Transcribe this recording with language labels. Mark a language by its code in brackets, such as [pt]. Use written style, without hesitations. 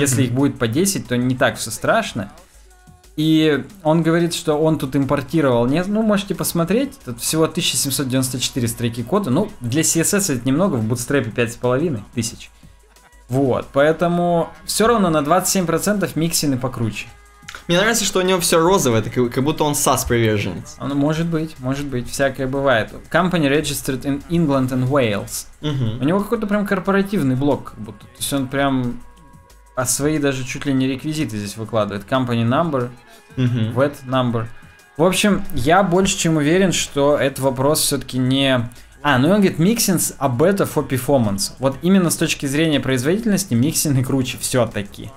[ru] если их будет по 10, то не так все страшно. И он говорит, что он тут импортировал, нет, ну, можете посмотреть, тут всего 1794 строки кода, ну, для CSS это немного, в Bootstrap 5500. Вот, поэтому все равно на 27% миксины покруче. Мне нравится, что у него все розовое, это как будто он SAS приверженец. Ну, может быть, всякое бывает. [en] Company registered in England and Wales. [ru] Угу. У него какой-то прям корпоративный блок, как будто, то есть он прям... А свои даже чуть ли не реквизиты здесь выкладывает. [en] Company number, mm-hmm. VAT number. [ru] В общем, я больше чем уверен, что этот вопрос все-таки не... А, ну и он говорит, mixins a better for performance. Вот именно с точки зрения производительности миксины круче все-таки.